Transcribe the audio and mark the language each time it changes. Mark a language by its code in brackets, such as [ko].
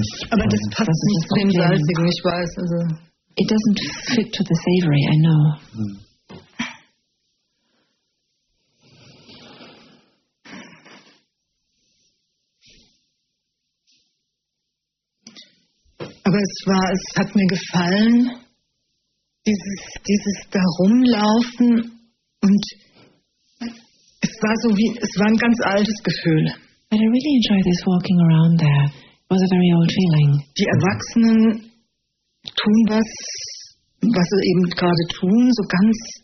[de] Aber das passt das nicht zu dem Salzigen, ich weiß. Also. [en] It doesn't fit to the savory, I know. [de] Aber es hat mir gefallen, dieses Darumlaufen. Und es war ein ganz altes Gefühl. [en] But I really enjoyed this walking around there. It was a very old feeling. [de] Die Erwachsenen tun was sie eben gerade tun, so ganz.